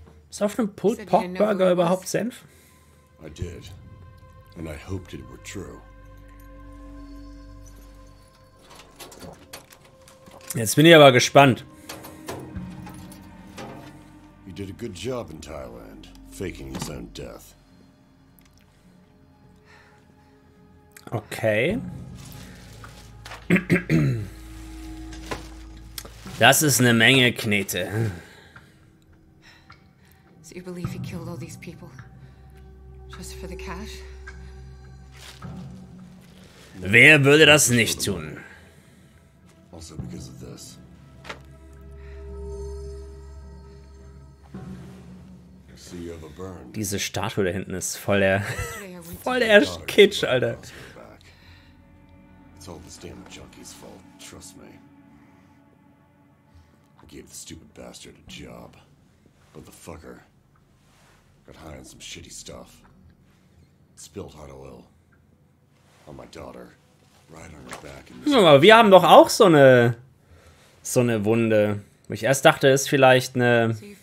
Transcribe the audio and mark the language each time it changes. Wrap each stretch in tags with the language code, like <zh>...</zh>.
<de>Ist auf einem Pulled Pork Burger überhaupt Senf?</de> <en>I did. And I hoped it were true.</en> <de>Jetzt bin ich aber gespannt.</de> <en>He did a good job in Thailand, faking his own death. Okay.</en> <de>Das ist eine Menge Knete.</de> <en>Do you believe he killed all these people just for the cash?</en> <de>Wer würde das nicht tun?</de> <en>Also because of this. See, you have a burn.</en> <de>Diese Statue da hinten ist voll der voll der Kitsch, Alter.</de> <en>It's all this damn junkie's fault, trust me. I gave the stupid bastard a job, but the fucker got high on some shitty stuff. Spilled hot oil on my daughter, right on her back.</en> <de>Aber wir haben doch auch so eine Wunde. Ich erst dachte, es ist vielleicht eine.</de>